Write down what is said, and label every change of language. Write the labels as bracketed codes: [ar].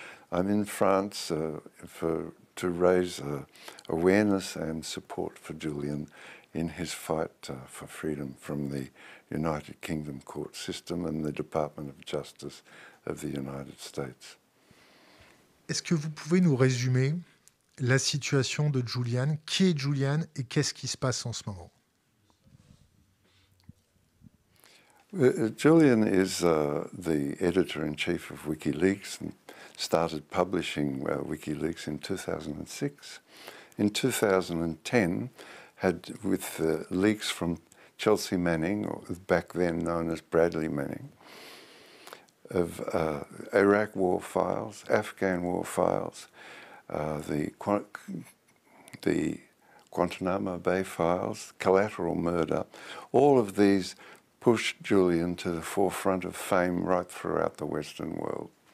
[en] I'm in France to raise awareness and support for Julian in his fight for freedom from the United Kingdom court system and the Department of Justice of the United States. [fr] Est-ce que vous pouvez nous résumer la situation de Julian? Qui est Julian et qu'est-ce qui se passe en ce moment? [en] Julian is the editor-in-chief of WikiLeaks and started publishing WikiLeaks in 2006. In 2010, had with the leaks from Chelsea Manning, or back then known as Bradley Manning, of Iraq war files, Afghan war files, the Guantanamo Bay files, collateral murder, all of these pushed Julian to the forefront of fame right throughout the Western world.